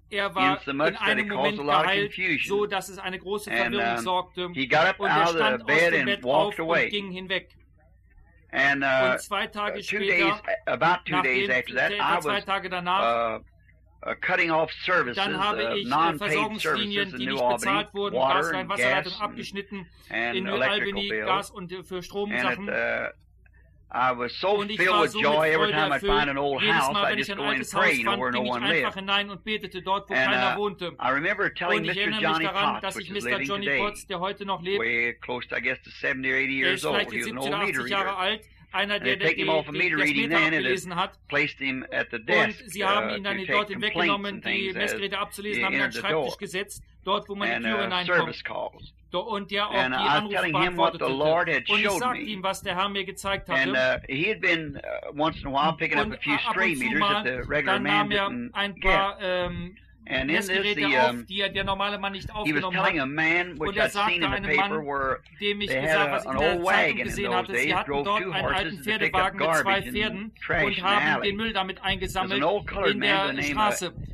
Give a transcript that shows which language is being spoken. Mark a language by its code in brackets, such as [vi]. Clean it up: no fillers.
[de] Er war in einem Moment geheilt, so dass es eine große Verwirrung sorgte. [en] He got up out of the bed and walked away. [de] Und ging hinweg. [en] And about two days after that, I was cutting off services, [de] dann habe ich Versorgungslinien, die nicht bezahlt wurden, Gas, Rhein, Wasserleitung abgeschnitten, in New Albany, Gas und für Stromsachen. [en] I was so filled with joy every time I'd find an old house, I'd just go in and pray where no one lived. And I remember telling Mr. Johnny Potts, which is living today, way close to, I guess, to 70 or 80 years old, he was an old meter reader. [de] Einer, der den [en] Meter reading [de] gelesen hat, und sie haben ihn dann dorthin weggenommen, die Messgeräte abzulesen, haben ihn an den Schreibtisch gesetzt, dort, wo man die Tür hineinkommt. Und ja, auch die Anrufe beantwortete. Und ich sagte ihm, was der Herr mir gezeigt hatte. [en] And in this, he was telling a man, which I'd seen in the paper, where they had an old wagon in those days, drove two horses to pick up garbage and trash in the alley. There was an old colored man by the name of Mr.